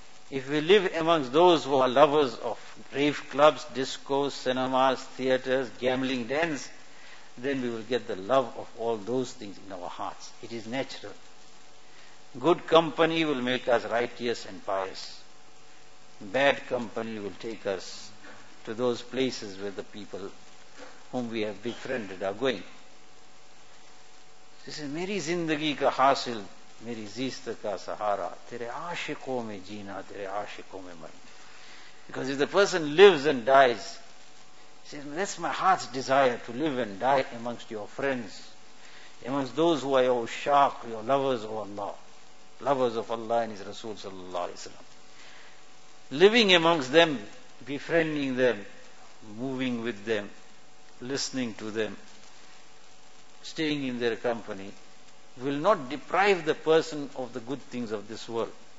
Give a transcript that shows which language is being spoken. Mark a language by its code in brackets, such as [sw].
[en] If we live amongst those who are lovers of rave clubs, discos, cinemas, theatres, gambling dens, then we will get the love of all those things in our hearts. It is natural. Good company will make us righteous and pious. Bad company will take us to those places where the people whom we have befriended are going. This is [ur] meri zindagi ka hasil. میری زیست کا سہارا، تیرے عاشقوں میں جینا، تیرے عاشقوں میں مرنا. [en] Because if the person lives and dies, he says, that's my heart's desire, to live and die amongst your friends, amongst those who are your ushaq, your lovers of Allah, lovers of Allah and His Rasul sallallahu alayhi wa sallam. Living amongst them, befriending them, moving with them, listening to them, staying in their company, will not deprive the person of the good things of this world.